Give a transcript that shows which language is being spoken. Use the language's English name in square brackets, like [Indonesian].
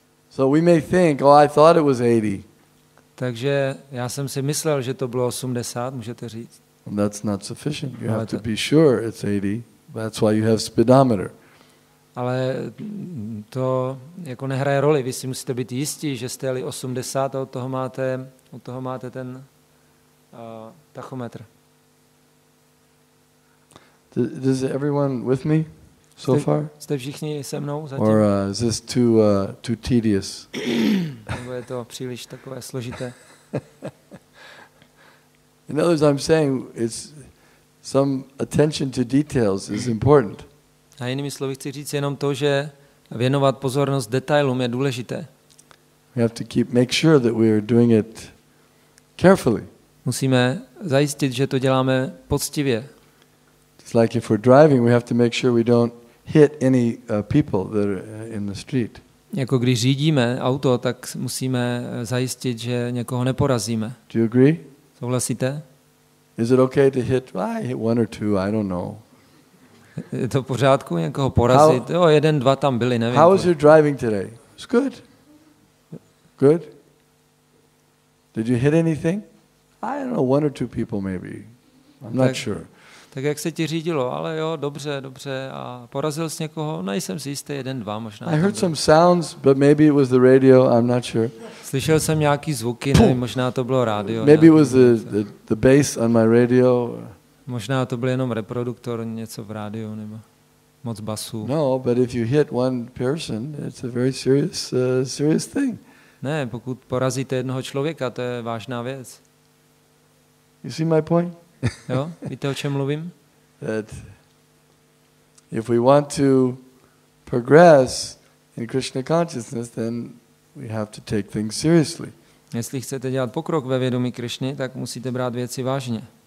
[English] So we may think, oh, I thought it was 80. [Czech] Takže já jsem si myslel, že to bylo 80, můžete říct. [English] And that's not sufficient. You have to be sure it's 80. That's why you have speedometer. [Czech] Ale to jako nehraje roli. Vy si musíte být jistí, že jste jeli 80 a od toho máte ten tachometr. [English] Is everyone with me so far? [Czech] Jste všichni se mnou zatím? [English] Or is this too tedious? [Czech] Nebo je to příliš takové složité? [English] In other words, I'm saying it's some attention to details is important. [Czech] A jinými slovy chci říct jenom to, že věnovat pozornost detailům je důležité. [English] We have to keep make sure that we are doing it carefully. [Czech] Musíme zajistit, že to děláme poctivě. [English] It's like if we're driving, we have to make sure we don't hit any people that are in the street. [Czech] Jako když řídíme auto, tak musíme zajistit, že někoho neporazíme. [English] Do you agree? [Czech] Souhlasíte? [English] Is it okay to hit? I hit one or two, I don't know. [Czech] Je to v pořádku někoho porazit? [English] How, [Czech] jo, jeden, dva tam byli, nevím. [English] How was your driving today? It's good. Good. Did you hit anything? I don't know, one or two people maybe. I'm not sure. [Czech] Tak jak se ti řídilo? Ale jo, dobře, dobře. A porazil jsi někoho? Nejsem si jistý, jeden, dva možná. [English] I heard some sounds, but maybe it was the radio, I'm not sure. [Czech] Slyšel jsem nějaký zvuky, nevím, možná to bylo rádio. [English] Maybe it was the bass on my radio. [Czech] Možná to byl jenom reproduktor, něco v rádiu, nebo moc basů. [English] No, but if you hit one person, it's a very serious thing. [Czech] Ne, pokud porazíte jednoho člověka, to je vážná věc. [English] You see my point? [Czech] Jo, víte, o čem mluvím? [English] That if we want to progress in Krishna consciousness, then we have to take things seriously. [Czech] Jestli chcete dělat pokrok ve vědomí Krišny, tak musíte brát věci vážně.